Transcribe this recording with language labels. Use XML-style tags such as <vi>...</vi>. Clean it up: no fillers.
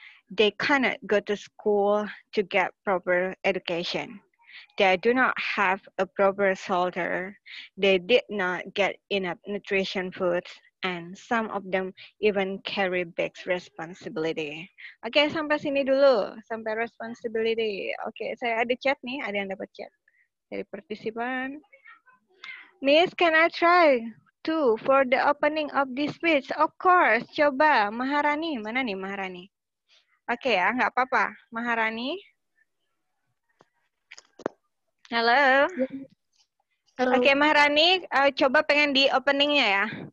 <en>They cannot go to school to get proper education. They do not have a proper shelter. They did not get enough nutrition food. And some of them even carry big responsibility.</en> <id>Oke, sampai sini dulu. Sampai responsibility. Oke, saya ada chat nih. Ada yang dapat chat dari partisipan.</id> <en>Miss, can I try too for the opening of this speech? Of course.</en> <id>Coba, Maharani. Mana nih Maharani? Oke ya, nggak apa-apa. Maharani. Halo. Halo. Oke, Maharani. Coba pengen di openingnya ya.</id>